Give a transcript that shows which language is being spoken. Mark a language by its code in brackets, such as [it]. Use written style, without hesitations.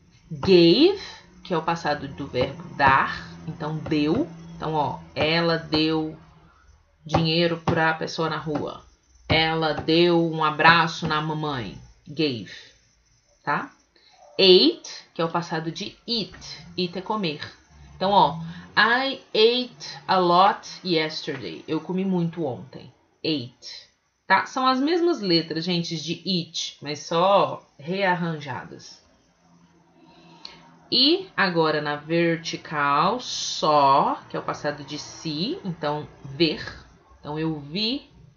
[pt] Gave, que é o passado do verbo dar. Então, deu. Então, ó, ela deu dinheiro para a pessoa na rua. Ela deu um abraço na mamãe. Gave, tá? Ate, que é o passado de eat. Eat é comer. [en] Então, ó, I ate a lot yesterday. [pt] Eu comi muito ontem. Ate, tá? São as mesmas letras, gente, de eat, mas só rearranjadas. E agora na vertical, só, que é o passado de si, então ver. Então eu vi.